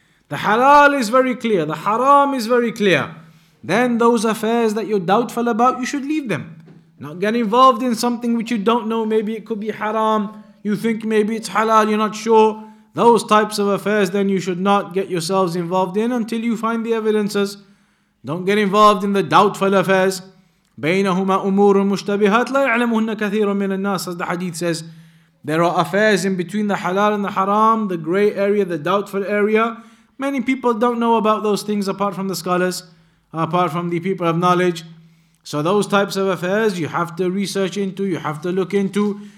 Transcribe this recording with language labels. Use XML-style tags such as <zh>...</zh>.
<en>The halal is very clear, the haram is very clear. Then those affairs that you're doubtful about, you should leave them. Not get involved in something which you don't know, maybe it could be haram, you think maybe it's halal, you're not sure. Those types of affairs then you should not get yourselves involved in until you find the evidences. Don't get involved in the doubtful affairs.</en> <ar>بينهما أمور مشتبهات لا يعلمهن كثير من الناس.</ar> <en>As the hadith says, there are affairs in between the halal and the haram, the grey area, the doubtful area. Many people don't know about those things apart from the scholars, apart from the people of knowledge. So those types of affairs you have to research into, you have to look into.</en>